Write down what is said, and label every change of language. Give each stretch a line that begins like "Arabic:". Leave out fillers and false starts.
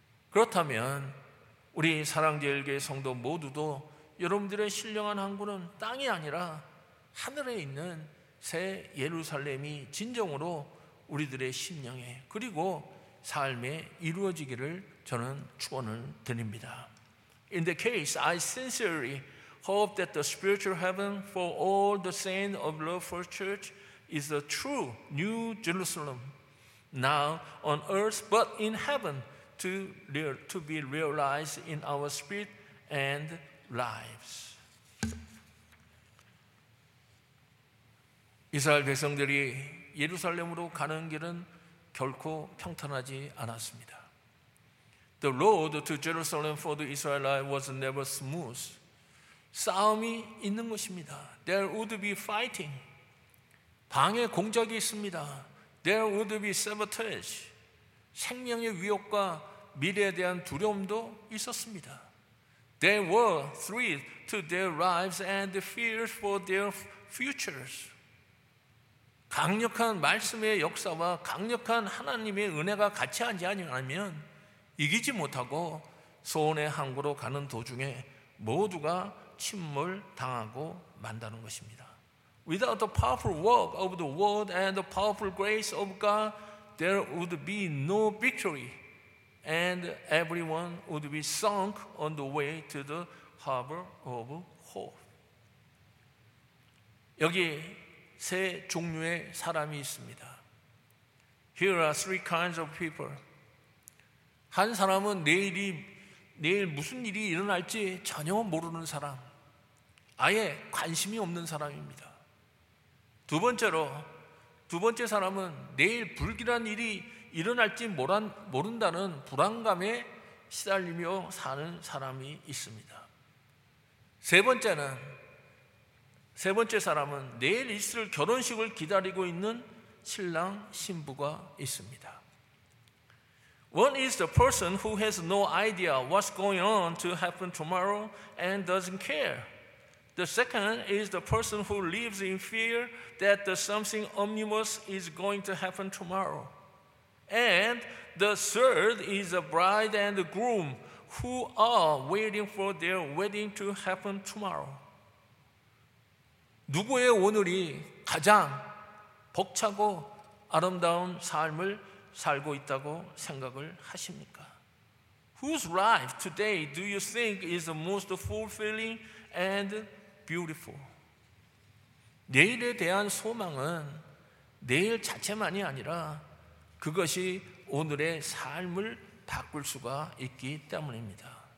Korean: 그렇다면 우리 사랑제일교회 성도 모두도 여러분들의 신령한 항구는 땅이 아니라 하늘에 있는 새 예루살렘이 진정으로 우리들의 심령에 그리고 삶에 이루어지기를 저는 축원을 드립니다.
English: In the case, I sincerely hope that the spiritual heaven for all the saints of the first church is the true new Jerusalem, now on earth but in heaven, to be realized in our spirit and lives.
Korean: 이스라엘 백성들이 예루살렘으로 가는 길은 결코 평탄하지 않았습니다.
English: The road to Jerusalem for the Israelites was never smooth.
Korean: 싸움이 있는 것입니다.
English: There would be fighting.
Korean: 방해 공작이 있습니다.
English: There would be sabotage.
Korean: 생명의 위협과 미래에 대한 두려움도 있었습니다.
English: There were threats to their lives and fears for their futures.
Korean: 강력한 말씀의 역사와 강력한 하나님의 은혜가 같이 하지 않으면 이기지 못하고 소원의 항구로 가는 도중에 모두가 침몰당하고 만다는 것입니다.
English: Without the powerful work of the word and the powerful grace of God, there would be no victory, and everyone would be sunk on the way to the harbor of hope.
Korean: 여기 세 종류의 사람이 있습니다.
English: Here are three kinds of people.
Korean: 한 사람은 내일 무슨 일이 일어날지 전혀 모르는 사람. 아예 관심이 없는 사람입니다. 두 번째 사람은 내일 불길한 일이 일어날지 모른다는 불안감에 시달리며 사는 사람이 있습니다. 세 번째 사람은 내일 있을 결혼식을 기다리고 있는 신랑 신부가 있습니다.
English: One is the person who has no idea what's going on to happen tomorrow and doesn't care. The second is the person who lives in fear that something ominous is going to happen tomorrow. And the third is the bride and the groom who are waiting for their wedding to happen tomorrow.
Korean: 누구의 오늘이 가장 벅차고 아름다운 삶을 살고 있다고 생각을 하십니까?
English: Whose life today do you think is the most fulfilling and beautiful?
Korean: 내일에 대한 소망은 내일 자체만이 아니라 그것이 오늘의 삶을 바꿀 수가 있기 때문입니다.